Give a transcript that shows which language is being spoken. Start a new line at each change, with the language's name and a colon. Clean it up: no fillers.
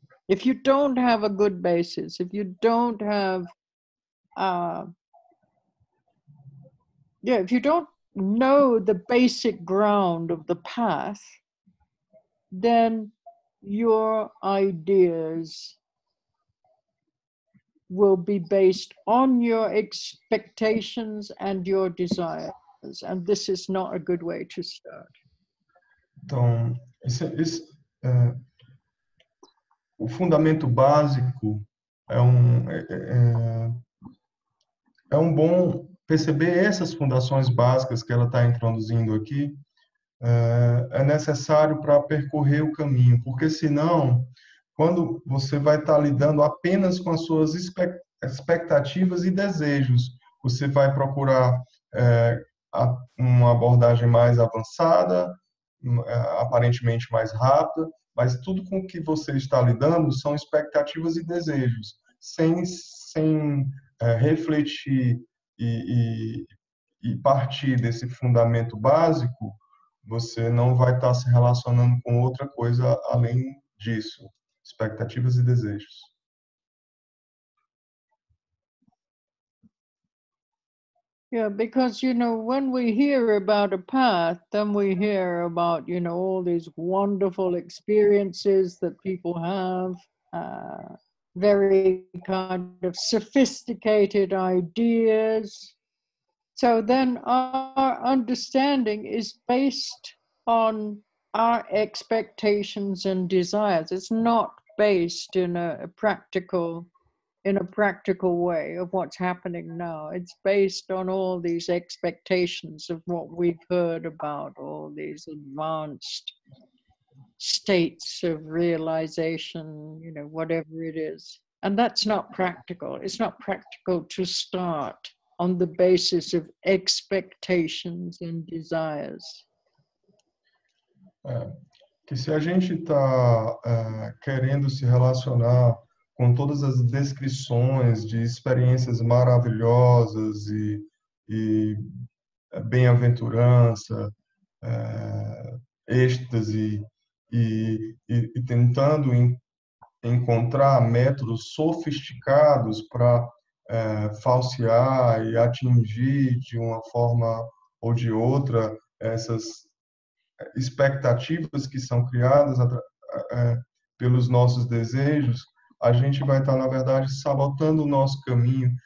English: If you don't have a good basis, if you don't have if you don't know the basic ground of the path, then your ideas will be based on your expectations and your desires, and this is not a good way to start.
Portuguese: Então, o fundamento básico é um bom perceber essas fundações básicas que ela está introduzindo aqui. É necessário para percorrer o caminho, porque senão, quando você vai estar lidando apenas com as suas expectativas e desejos, você vai procurar uma abordagem mais avançada, aparentemente mais rápida, mas tudo com que você está lidando são expectativas e desejos, sem refletir e partir desse fundamento básico. Você não vai estar se relacionando com outra coisa além disso, expectativas e desejos.
English: Yeah, because you know, when we hear about a path, then we hear about, you know, all these wonderful experiences that people have, very kind of sophisticated ideas. So then our understanding is based on our expectations and desires. It's not based in a practical way of what's happening now. It's based on all these expectations of what we've heard about, all these advanced states of realization, you know, whatever it is. And that's not practical. It's not practical to start on the basis of expectations and desires.
Portuguese: Que se a gente está querendo se relacionar com todas as descrições de experiências maravilhosas e bem-aventurança, êxtase, e tentando encontrar métodos sofisticados para falsear e atingir de uma forma ou de outra essas expectativas que são criadas pelos nossos desejos, a gente vai estar, na verdade, sabotando o nosso caminho.